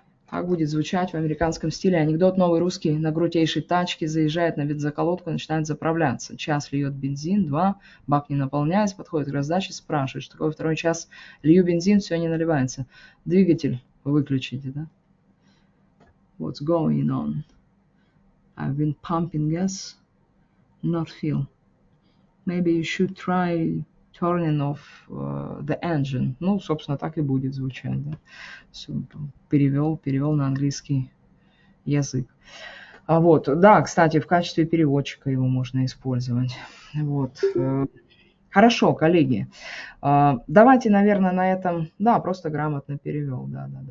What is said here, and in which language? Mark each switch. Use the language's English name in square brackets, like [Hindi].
[Russian] Как будет звучать в американском стиле анекдот: новый русский на крутейшей тачке заезжает на бензоколонку и начинает заправляться. Час льет бензин, два, бак не наполняется, подходит к раздаче, спрашивает, что такое второй час лью бензин, все не наливается. Двигатель выключите, да? [English] What's going on? I've been pumping gas, not feel. Maybe you should try turning off the engine. [Russian] Ну, собственно, так и будет звучать, да? Все, перевел на английский язык. А вот, да, кстати, в качестве переводчика его можно использовать. Вот. Хорошо, коллеги. Давайте, наверное, на этом. Да, просто грамотно перевел, да.